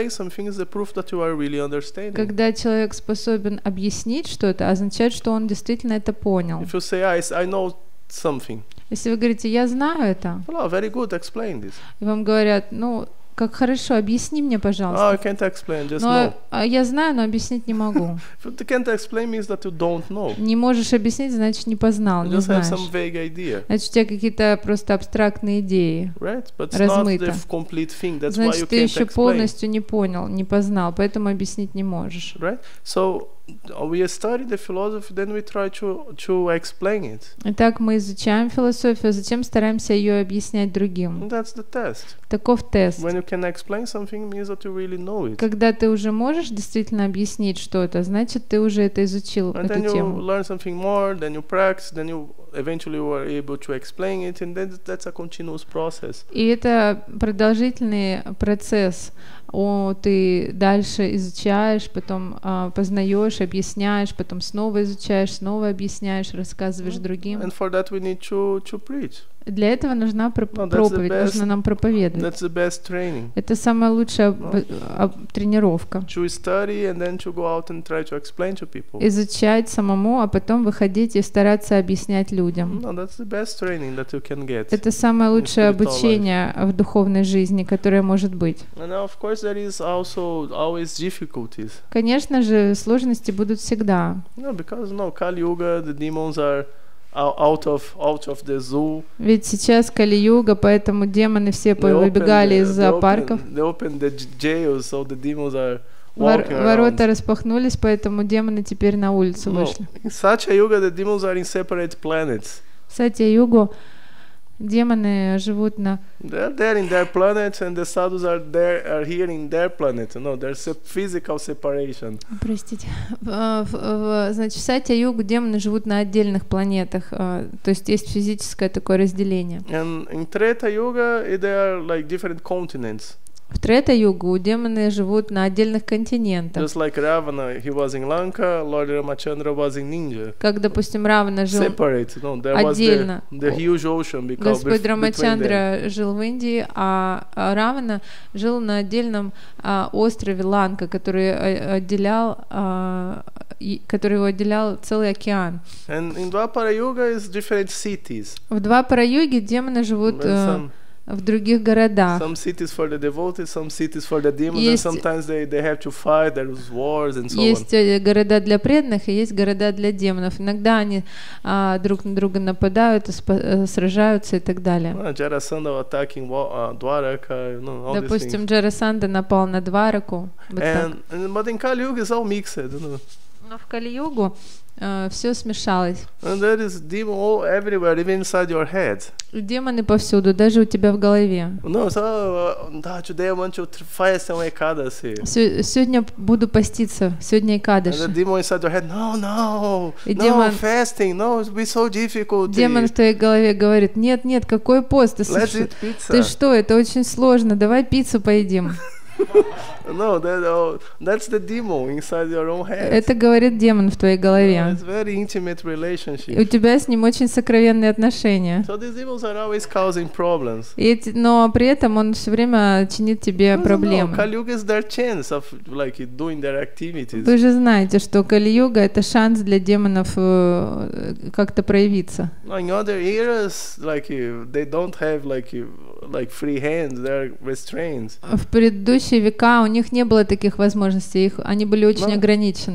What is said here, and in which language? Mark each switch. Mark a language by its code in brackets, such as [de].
[ru] Когда человек способен объяснить что-то, означает, что он действительно это понял. [en] If you say, I know something. [ru] Если вы говорите, я знаю это, [en] well, very good, explain this. [ru] И вам говорят, ну, как хорошо, объясни мне, пожалуйста. [en] Oh, I can't explain, just [ru] но, [en] know. [ru] Я знаю, но объяснить не могу. [en] You can't explain means that you don't know. [ru] Не можешь объяснить, значит, не познал, [en] you [ru] не знаешь. [en] Just have some vague idea. [ru] Значит, у тебя какие-то просто абстрактные идеи. [en] Right? But it's [ru] размыто. [en] Not the complete thing. That's [ru] значит, [en] why you [ru] ты [en] can't [ru] еще [en] explain. [ru] Полностью не понял, не познал, поэтому объяснить не можешь. [en] Right? So we study the philosophy, then we try to explain it. [ru] Итак, мы изучаем философию, затем стараемся ее объяснять другим. [en] That's the test. [ru] Таков тест. [en] When you can explain something, means that you really know it. [ru] Когда ты уже можешь действительно объяснить что-то, значит, ты уже это изучил, [en] and [ru] эту тему. [en] And then you learn something more, then you practice, then you eventually were able to explain it, and then that's a continuous process. [ru] И это продолжительный процесс. Ты дальше изучаешь, потом познаешь, объясняешь, потом снова изучаешь, снова объясняешь, рассказываешь другим. [en] And for that we need to preach. [ru] Для этого нужна проповедь, [en] best, [ru] нужно нам проповедовать. [en] That's the best training. [ru] Это самая лучшая тренировка. [en] To study and then to go out and try to explain to people. [ru] Изучать самому, а потом выходить и стараться объяснять людям. [en] No, that's the best training that you can get. [ru] Это самое лучшее обучение в духовной жизни, которое может быть. [en] And now, of course, there is also always difficulties. [ru] Конечно же, сложности будут всегда. [en] No, because no, Kali-Yuga, the demons are out of the zoo. [ru] Ведь сейчас Кали-Юга, поэтому демоны все выбегали из зоопарков. [en] They opened the jails, so the demons are walking around. [ru] Ворота распахнулись, поэтому демоны теперь на улицу вышли. [en] In Satya-Yuga, the demons are in separate planets. [ru] Satya-Yuga, демоны живут на... [en] They're there in their planet, and the sadhus are here in their planet. No, there's a physical separation. [ru] Простите. Значит, Сатья-Югу демоны живут на отдельных планетах. То есть есть физическое такое разделение. [en] And in Трета-Юга, they are like different continents. [ru] В Трета-югу демоны живут на отдельных континентах. [en] Just like Ravana, he was in Lanka, Lord Ramachandra was in India. [ru] Как, допустим, Равана жил [en] separate, no, there [ru] отдельно. [en] Was the huge ocean because [ru] Господь Рамачандра жил в Индии, а Равана жил на отдельном острове Ланка, который его отделял целый океан. [en] And in Dvapara-yuga is different cities. [ru] В Двапара-юге демоны живут в других городах. [en] Some cities for the devotees, some cities for the demons, [ru] есть, [en] and sometimes they have to fight, there is wars and so on. [ru] Есть города для преданных и есть города для демонов. Иногда они друг на друга нападают, сражаются и так далее. [en] Джарасанда attacking Дварака, you know, all [ru] Допустим, Джарасанда напал на Двараку. [en] But in Kali Yuga is all mixed, you know. [ru] Но в Кали-югу все смешалось. [en] And there is demon all everywhere, even inside your head. [ru] Демоны повсюду, даже у тебя в голове. [en] No, so, да, today I want to fast on Ekadasi. [ru] Сегодня буду поститься, сегодня Экадаши. [en] And the demon inside your head, no, fasting, no, it'll be so difficult. [ru] Демон в твоей голове говорит, нет, какой пост? [en] Let's eat pizza. [ru] Ты что, это очень сложно, давай пиццу поедим. [en] No, that's the demon inside your own head. [ru] Это говорит демон в твоей голове. [en] Yeah, it's very intimate relationship. [ru] У тебя с ним очень сокровенные отношения. [en] So these demons are always causing problems. [ru] Но при этом он все время чинит тебе проблемы. [en] Kali-yuga is their chance of like doing their activities. [ru] Вы же знаете, что Кали-юга это шанс для демонов как-то проявиться. [en] In other eras, like they don't have like free hands, they are restrained. [ru] В предыдущие века у них не было таких возможностей, они были очень ограничены.